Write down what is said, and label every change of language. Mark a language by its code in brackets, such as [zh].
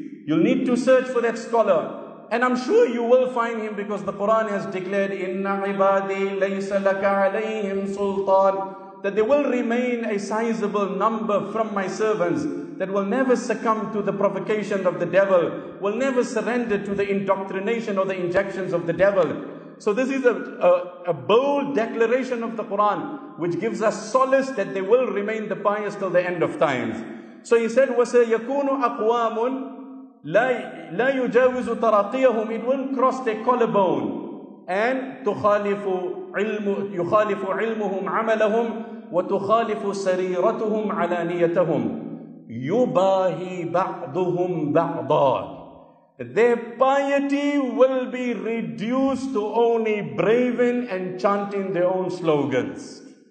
[en] You'll need to search for that scholar. And I'm sure you will find him, because the Quran has declared, Inna ibadi laysa laka alayhim sultan, that there will remain a sizable number from my servants that will never succumb to the provocation of the devil, will never surrender to the indoctrination or the injections of the devil. So this is a bold declaration of the Quran, which gives us solace that they will remain the pious till the end of times. So he said, [ar] وَسَيَكُونُ أَقْوَامٌ لَا يُجَاوِزُ تَرَقِيَهُمْ. [en] It will cross their collarbone. And [ar] يُخَالِفُ عِلْمُهُمْ عَمَلَهُمْ وَتُخَالِفُ سَرِيرَتُهُمْ عَلَانِيَتَهُمْ يُبَاهِي بَعْضُهُمْ بَعْضًا. [en] Their piety will be reduced to only braving and chanting their own slogans.